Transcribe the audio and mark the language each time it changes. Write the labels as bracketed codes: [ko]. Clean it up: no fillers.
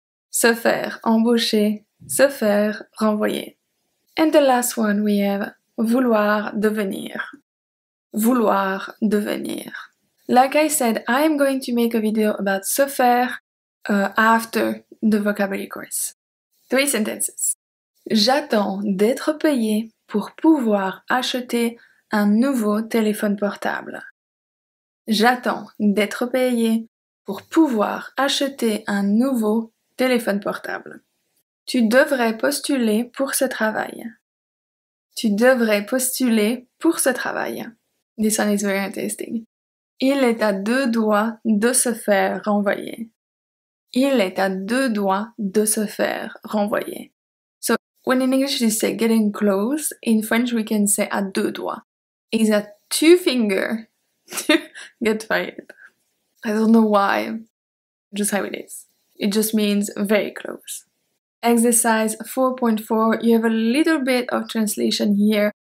[fr] Se faire embaucher. Se faire renvoyer. [en] And the last one we have, [fr] vouloir devenir. Vouloir devenir. [en] Like I said, I'm going to make a video about se faire after the vocabulary course. Three sentences. [fr] J'attends d'être payé pour pouvoir acheter un nouveau téléphone portable. J'attends d'être payé pour pouvoir acheter un nouveau téléphone portable. Tu devrais postuler pour ce travail. Tu devrais postuler pour ce travail. [en] This one is very interesting. [fr] Il est à deux doigts de se faire renvoyer. Il est à deux doigts de se faire renvoyer. [en] So, when in English you say getting close, in French we can say [fr] à deux doigts. [en] It's a two finger to get fired. I don't know why, just how it is. It just means very close. Exercise 4.4, you have a little bit of translation here.